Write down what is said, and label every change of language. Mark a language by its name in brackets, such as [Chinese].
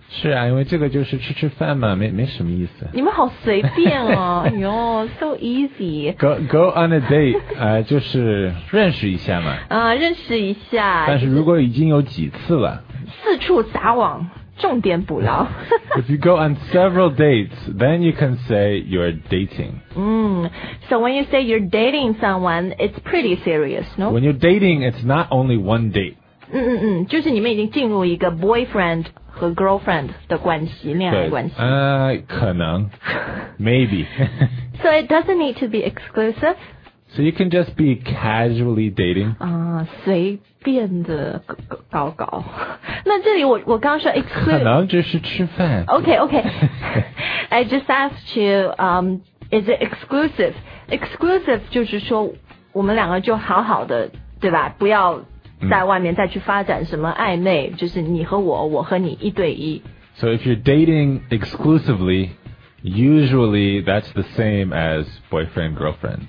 [Chinese] 是啊，因为这个就是吃吃饭嘛，没什么意思。你们好随便哦，哎呦 ， [English] so easy. [Chinese] Go on a date, 就是认识一下嘛。认识一下。但是如果已经有几次了。四处撒网，重点捕捞。 [English] If you go on several dates, then you can say you're dating. So when you say you're dating someone, it's pretty serious, no? When you're dating, it's not only one date. [Chinese] 就是你们已经进入一个 boyfriend 和 girlfriend 的关系，恋爱关系。可能 ，maybe. [English] So it doesn't need to be exclusive. So you can just be casually dating. [Chinese] 随便的搞搞。那这里我刚说 exclusive. 可能只是吃饭。 [English] Okay. I just asked you, is it exclusive? [Chinese] Exclusive 就是说我们两个就好好的，对吧？不要在外面再去发展什么暧昧，就是你和我，我和你一对一。 [English] So if you're dating exclusively, usually that's the same as boyfriend, girlfriend.